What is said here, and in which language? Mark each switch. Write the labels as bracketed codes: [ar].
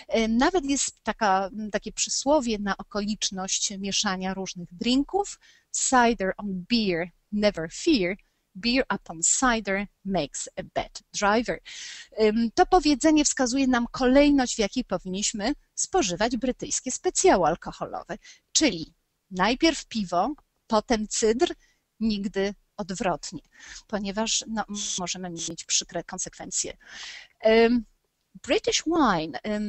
[pl] Nawet jest takie przysłowie na okoliczność mieszania różnych drinków: [en] cider on beer, never fear. Beer upon cider makes a bad driver. [pl] To powiedzenie wskazuje nam kolejność, w jakiej powinniśmy spożywać brytyjskie specjały alkoholowe. Czyli najpierw piwo, potem cydr, nigdy odwrotnie, ponieważ no, możemy mieć przykre konsekwencje. British wine.